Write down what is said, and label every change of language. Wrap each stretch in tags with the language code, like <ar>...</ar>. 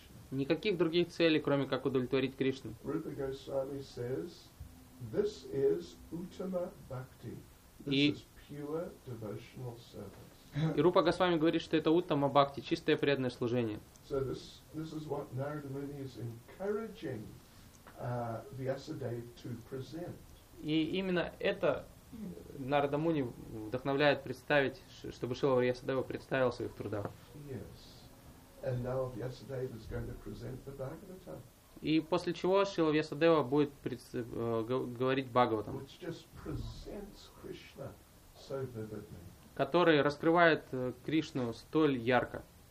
<ru>Никаких других целей, кроме как удовлетворить Кришну.</ru> <en>Rupa Goswami says, this is uttama bhakti. This is pure devotional service.</en> <ru>И Рупа Госвами говорит, что это уттама бхакти, чистое преданное служение.</ru> <en>So this is what Narada Muni is encouraging Vyasadeva to present.</en> <ru>И именно это Нарада Муни вдохновляет представить, чтобы Шрила Вьясадева представил своих трудов.</ru> <en>Yes. And now Vyasadeva is going to present the Bhagavatam.</en> <ru>И после чего Шрила Вьясадева будет говорить Бхагаватам.</ru> <en>Which just presents Krishna so vividly.</en> <ru>Который раскрывает Кришну столь ярко.</ru>